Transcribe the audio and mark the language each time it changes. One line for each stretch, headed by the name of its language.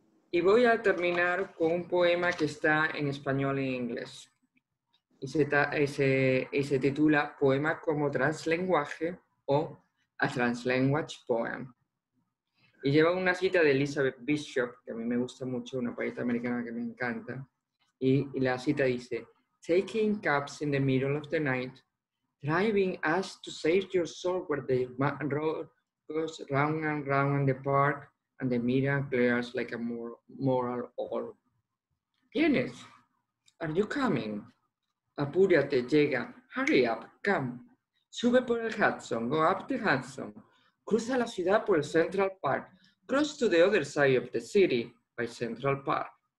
Spanish: Y voy a terminar con un poema que está en español e inglés. Y se titula Poema como Translenguaje o A Translanguage Poem. Y lleva una cita de Elizabeth Bishop, que a mí me gusta mucho, una poeta americana que me encanta. Y la cita dice,
English: Taking cabs in the middle of the night, driving us to save your soul where the road goes round and round in the park and the mirror glares like a moral orb.
Spanish: ¿Vienes?
English: Are you coming?
Spanish: Apúrate, llega.
English: Hurry up, come.
Spanish: Sube por el Hudson,
English: go up the Hudson.
Spanish: Cruza la ciudad por el Central Park.
English: Cross to the other side of the city by Central Park.